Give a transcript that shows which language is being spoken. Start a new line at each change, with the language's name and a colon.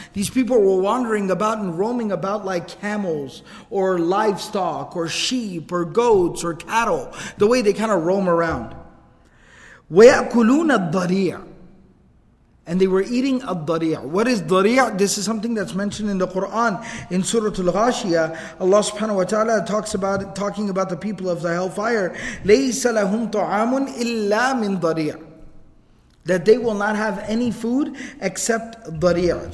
English: These people were wandering about and roaming about like camels or livestock or sheep or goats or cattle. The way they kind of roam around.
Arabic: وَيَأْكُلُونَ الضَّرِيعَ.
English: And they were eating al-dari'. What is dari'? This is something that's mentioned in the Quran in Surah Al-Ghashiyah. Allah subhanahu wa ta'ala talking about the people of the hellfire.
Arabic: لَيْسَ لَهُمْ طَعَامٌ إِلَّا مِنْ dari'.
English: That they will not have any food except dari'.